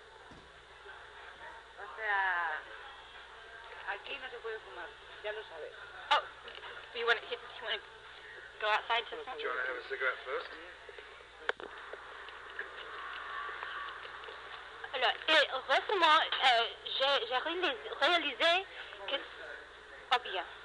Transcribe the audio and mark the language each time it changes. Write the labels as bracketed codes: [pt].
[es] O sea, aquí no se puede fumar, ya lo sabes. [en] Oh, so you want to go outside to smoke? Do you want to have a cigarette first? [fr] Alors, et récemment, j'ai réalisé que c'est pas bien.